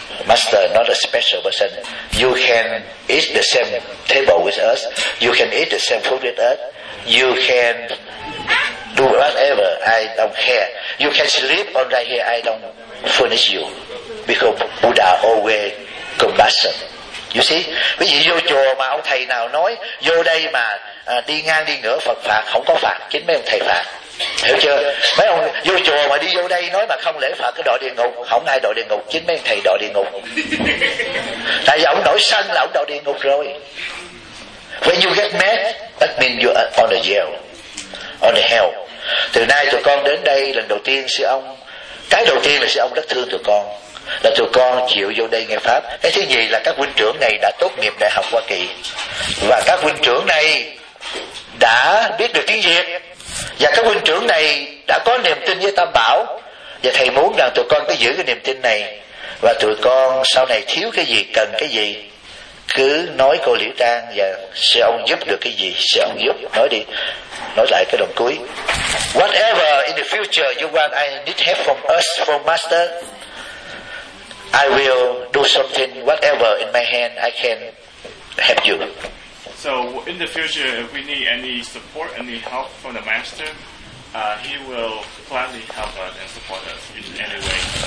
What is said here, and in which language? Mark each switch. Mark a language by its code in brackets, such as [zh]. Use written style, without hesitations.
[en] Master not a special person. You can eat the same table with us. You can eat the same food with us. You can do whatever. I don't care. You can sleep on right here. I don't furnish you, because Buddha always compassion. You see, [vi] ví dụ vô chùa mà ông thầy nào nói vô đây mà đi ngang đi ngửa Phật phạt, không có phạt, chính mấy ông thầy phạt. Hiểu chưa? Mấy ông vô chùa mà đi vô đây nói mà không lễ Phật, cái đọa địa ngục, không ai đọa địa ngục, chính mấy ông thầy đọa địa ngục. Tại vì ông nổi sân là ông đọa địa ngục rồi. [en] When you get mad, that means you are on the jail, on the hell. [vi] Từ nay tụi con đến đây lần đầu tiên, sư ông, cái đầu tiên là sư ông rất thương tụi con, là tụi con chịu vô đây nghe pháp. Cái thứ nhì là các huynh trưởng này đã tốt nghiệp đại học Hoa Kỳ, và các huynh trưởng này đã biết được tiếng Việt, và các huynh trưởng này đã có niềm tin với tam bảo, và thầy muốn rằng tụi con cứ giữ cái niềm tin này, và tụi con sau này thiếu cái gì, cần cái gì cứ nói cô Liễu Trang, và sẽ ông giúp được cái gì sẽ ông giúp. Nói đi, nói lại cái đoạn cuối. [en] Whatever in the future you want, I need help from us, from master, I will do something, whatever in my hand, I can help you. So in the future, if we need any support, any help from the master, he will gladly help us and support us in any way.